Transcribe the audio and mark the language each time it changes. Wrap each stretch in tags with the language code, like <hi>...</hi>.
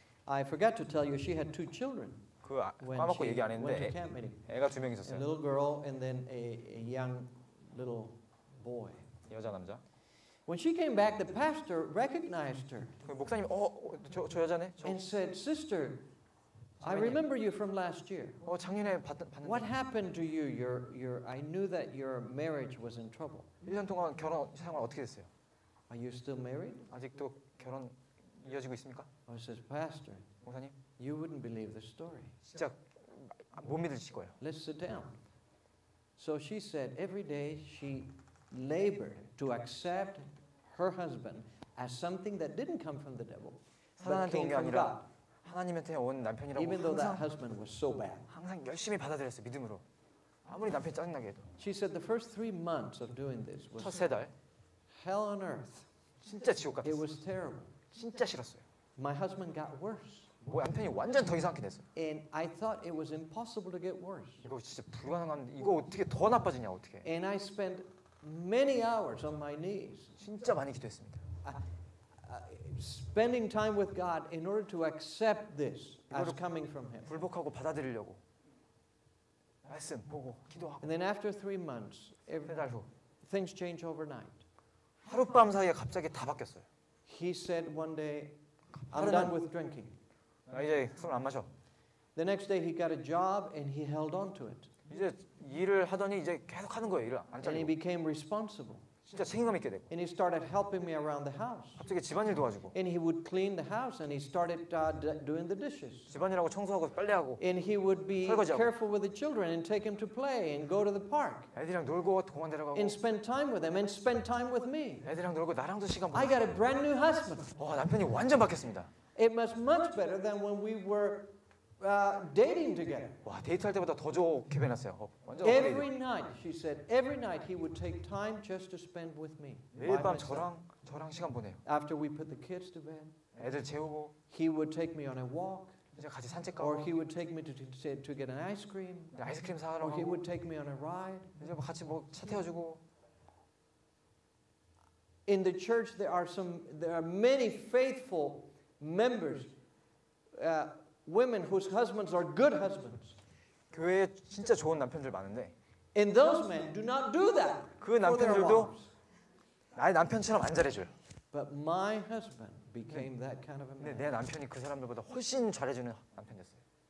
<en>I forgot to tell you, she had two children.</en> <ko>그 까먹고 얘기 안 했는데 애가 두 명 있었어요.</ko> <en>A little girl and then a young little boy.</en> <ko>여자 남자.</ko> <en>When she came back, the pastor recognized her.</en> <ko>목사님, 저 여자네.</ko> <en>And said, "Sister, I remember you from last year."</en> <ko>작년에 봤는데.</ko> <en>What happened to you? Your I knew that your marriage was in trouble.</en> <ko>1년 동안 결혼 생활 어떻게 됐어요?</ko> <en>Are you still married?</en> <ko>아직도 결혼 이어지고 있습니까?</ko> <en>I said, "Pastor."</en> <ko>목사님.</ko> <en>You wouldn't believe the story.</en> <ko>진짜 못 믿으실 거예요.</ko> <en>Let's sit down. So she said every day she labored to accept her husband as something that didn't come from the devil, but came from God.</en> <ko>하나님한테 온 남편이라고.</ko> <en>Even though that husband was so bad.</en> <ko>항상 열심히 받아들였어 믿음으로. 아무리 남편 짜증나게 해도.</ko> <en>She said the first 3 months of doing this was</en> <ko>첫 세 달.</ko> <en>Hell on earth.</en> <ko>진짜 지옥 같았어.</ko> <en>It was terrible.</en> <ko>진짜 싫었어요.</ko> <en>My husband got worse.</en> <ko>뭐 남편이 완전 더 이상하게 됐어.</ko> <en>And I thought it was impossible to get worse.</en> <ko>이거 진짜 불가능한. 이거 어떻게 더 나빠지냐 어떻게?</ko> <en>And I spent many hours on my knees.</en> <ko>진짜 많이 기도했습니다.</ko> <en>Spending time with God in order to accept this as coming from Him.</en> <ko>굴복하고 받아들이려고 말씀 보고 기도하고.</ko> <en>And then after 3 months,</en> <ko>세 달 후,</ko> <en>things change overnight.</en> <ko>하룻밤 사이에 갑자기 다 바뀌었어요.</ko> <en>He said one day, "I'm done with drinking."</en> <ko>나 이제 술 안 마셔.</ko> <en>The next day he got a job and he held on to it.</en> <ko>이제 일을 하더니 이제 계속 하는 거예요, 일을 안 잘리고.</ko> <en>And he became responsible.</en> <ko>진짜 책임감 있게 되고.</ko> <en>And he started helping me around the house.</en> <ko>갑자기 집안일 도와주고.</ko> <en>And he would clean the house and he started doing the dishes.</en> <ko>집안일하고 청소하고 빨래하고.</ko> <en>And he would be careful with the children and take them to play and go to the park.</en> <ko>애들이랑 놀고 공원 데려가고.</ko> <en>And spend time with them and spend time with me.</en> <ko>애들이랑 놀고 나랑도 시간 보내.</ko> <en>I got a brand new husband.</en> <ko>와, 남편이 완전 바뀌었습니다.</ko> <en>It was much better than when we were dating together.</en> <ko>와, 데이트할 때보다 더 좋게 변했어요. 완전</ko> <en>every night, she said, every night he would take time just to spend with me.</en> <ko>매일 밤 저랑 시간 보내요.</ko> <en>After we put the kids to bed,</en> <ko>애들 재우고,</ko> <en>he would take me on a walk.</en> <ko>이제 같이 산책 가고,</ko> <en>or he would take me to get an ice cream.</en> <ko>아이스크림 사러 가고,</ko> <en>or he would take me on a ride.</en> <ko>이제 뭐 같이 뭐 차 태워주고.</ko> <en>In the church, there are many faithful members. Women whose husbands are good husbands.</en> <ko>교회에 진짜 좋은 남편들 많은데.</ko> <en>And those men do not do that.</en> <ko>그 남편들도 나의 남편처럼 안 잘해줘요.</ko> <en>But my husband became that kind of a man.</en> <ko>내 남편이 그 사람들보다 훨씬 잘해주는 남편이었어요.</ko>